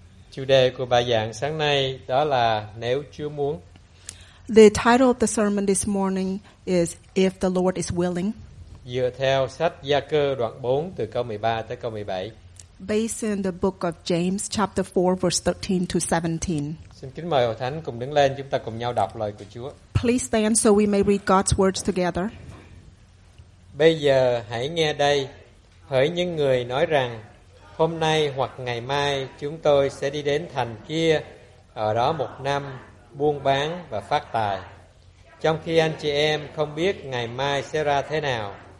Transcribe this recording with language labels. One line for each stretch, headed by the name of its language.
Vietnamese: Chủ đề của bài giảng sáng nay đó là nếu Chúa muốn.
English: The title of the sermon this morning is If the Lord is willing.
Vietnamese: Dựa theo sách Gia Cơ đoạn 4 từ câu 13 tới câu 17.
English: Based in the book of James chapter 4 verse 13 to 17.
Vietnamese: Xin kính mời Hội Thánh cùng đứng lên, chúng ta cùng nhau đọc lời của Chúa.
English: Please stand so we may read God's words together.
Vietnamese: Bây giờ hãy nghe đây, hỡi những người nói rằng hôm nay hoặc ngày mai chúng tôi sẽ đi đến thành kia, ở đó một năm buôn bán và phát tài, trong khi anh chị em không biết ngày mai sẽ ra thế nào.